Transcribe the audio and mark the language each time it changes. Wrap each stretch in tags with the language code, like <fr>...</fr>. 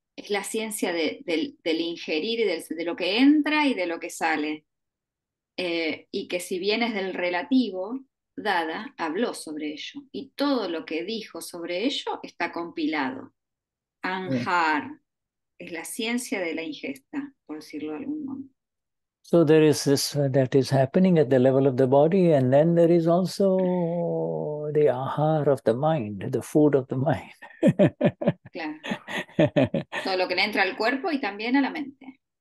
<es>Es la ciencia del ingerir y de lo que entra y de lo que sale. y que si bien es del relativo, Dada habló sobre ello. Y todo lo que dijo sobre ello está compilado. Anhar es la ciencia de la ingesta, por decirlo de algún modo.</es> <en>So there is this that is happening at the level of the body, and then there is also the ahar of the mind, the food of the mind.</en> <es>Claro. Todo lo que le entra al cuerpo y también a la mente.</es>